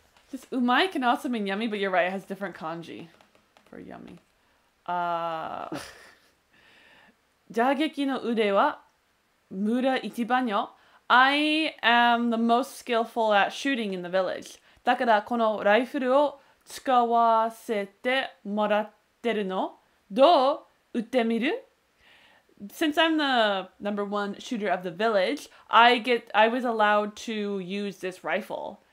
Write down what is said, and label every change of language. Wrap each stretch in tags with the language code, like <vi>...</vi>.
<en>This umai can also mean yummy, but you're right, it has different kanji for yummy.</en> <ja>Jageki no ude wa mura ichiban yo.</ja> <en>I am the most skillful at shooting in the village.</en> <ja>だからこのライフルを使わせてもらってるの。どう撃ってみる?</ja> <en>Since I'm the number one shooter of the village, I was allowed to use this rifle.</en>